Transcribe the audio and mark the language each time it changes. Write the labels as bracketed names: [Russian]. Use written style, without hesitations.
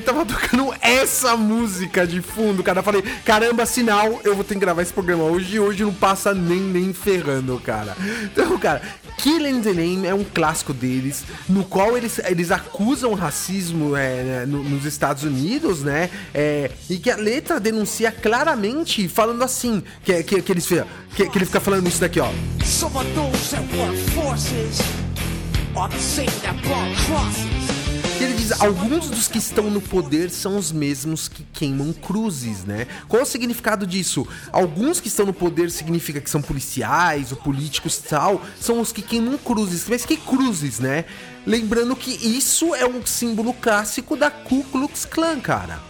[Portuguese] Tava tocando essa música de fundo, cara. Eu falei, caramba, sinal, eu vou ter que gravar esse programa hoje e hoje não passa nem ferrando, cara. Então, cara, Killing the Name é um clássico deles, no qual eles acusam racismo nos Estados Unidos, né? É, e que a letra denuncia claramente, falando assim, que ele fica falando isso daqui, ó. [English] Some of those that work forces are the same that burn crosses. [Portuguese] Ele diz, alguns dos que estão no poder são os mesmos que queimam cruzes, né? Qual o significado disso? Alguns que estão no poder significa que são policiais ou políticos e tal, são os que queimam cruzes. Mas que cruzes, né? Lembrando que isso é um símbolo clássico da Ku Klux Klan, cara.